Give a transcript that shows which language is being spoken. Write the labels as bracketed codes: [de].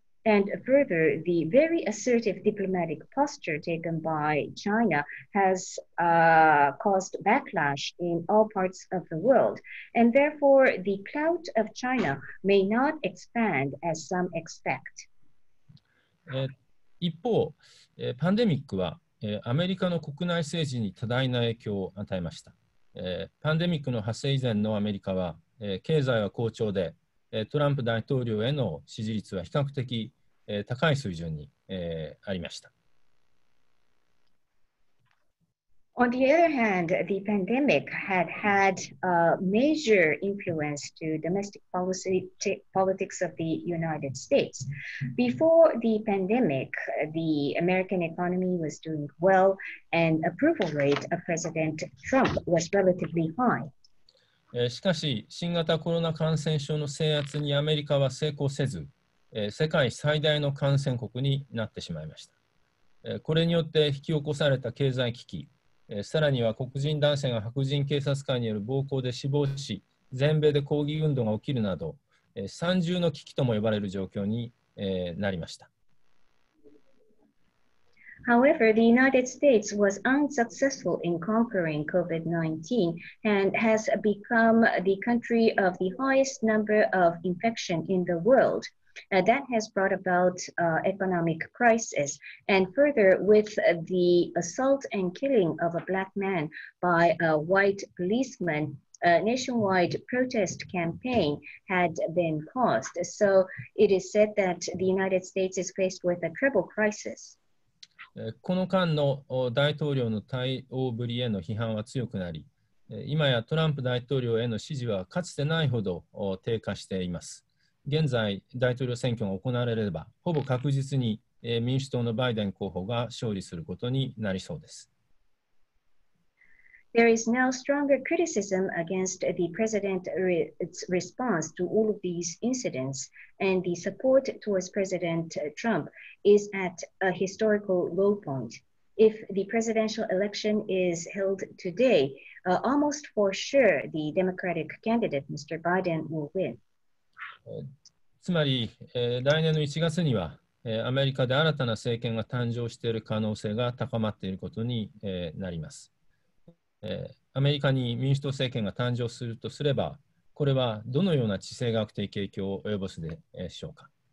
[en] And further, the very assertive diplomatic posture taken by China has caused backlash in all parts of the world. And therefore, the clout of China may not expand as some expect. [ja] 一方、パンデミックはアメリカの国内政治に多大な影響を与えました。パンデミックの発生以前のアメリカは、経済は好調で、トランプ大統領への支持率は比較的、高い水準に、ありました。 [en] On the other hand, the pandemic had had a major influence to domestic policy, politics of the United States. Before the pandemic, the American economy was doing well, and approval rate of President Trump was relatively high. [ja] しかし、新型コロナ感染症の制圧にアメリカは成功せず、世界最大の感染国になってしまいました。これによって引き起こされた経済危機、さらには黒人男性が白人警察官による暴行で死亡し、全米で抗議運動が起きるなど、三重の危機とも呼ばれる状況に、なりました。 [en] However, the United States was unsuccessful in conquering COVID-19 and has become the country of the highest number of infection in the world. That has brought about economic crisis. And further, with the assault and killing of a black man by a white policeman, a nationwide protest campaign had been caused. So it is said that the United States is faced with a triple crisis. [ja] この間の大統領の対応ぶりへの批判は強くなり、今やトランプ大統領への支持はかつてないほど低下しています。現在、大統領選挙が行われれば、ほぼ確実に民主党のバイデン候補が勝利することになりそうです。 [en] There is now stronger criticism against the president's response to all of these incidents, and the support towards President Trump is at a historical low point. If the presidential election is held today, almost for sure the Democratic candidate, Mr. Biden, will win. [ja] つまり、来年の1月には、アメリカで新たな政権が誕生している可能性が高まっていることに、なります。アメリカに民主党政権が誕生するとすれば、これはどのような地政学的影響を及ぼすでしょうか。